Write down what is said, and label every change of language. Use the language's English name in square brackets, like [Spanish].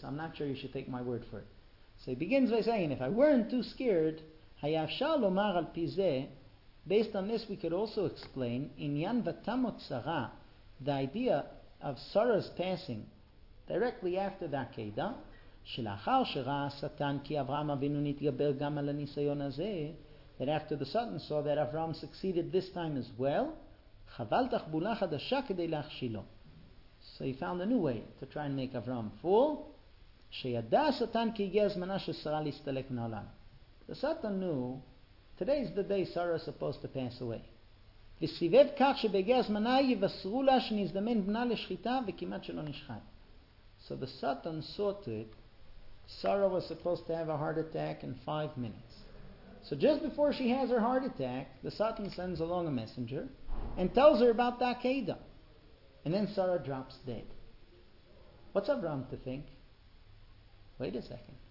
[English] I'm not sure you should take my word for it. So he begins by saying, if I weren't too scared, [Hebrew] hayav shalomar al pize, [English] based on this we could also explain, [Hebrew] inyan vatamot sara, [English] the idea of Sarah's passing directly after the Akedah, [Hebrew] שלאחר שראה סטן כי אברהם אבינו נתגבר גם על הניסיון הזה, [English] that after the Satan saw that Avram succeeded this time as well, [Hebrew] חבל תחבולה חדשה כדי להכשילו. [English] So he found a new way to try and make Avram fool. [Hebrew] שידע סטן כי הגיע הזמנה ששרה להסתלק מהעולם. [English] The Satan knew, today is the day Sarah is supposed to pass away. [Hebrew] וסיבב כך שבהגיע הזמנה יבשרו לה שנזדמן בנה לשחיטה וכמעט שלא נשחט. [English] So the Satan saw to it, Sarah was supposed to have a heart attack in 5 minutes. So just before she has her heart attack, the Satan sends along a messenger and tells her about the Akedah. And then Sarah drops dead. What's Avram to think? Wait a second.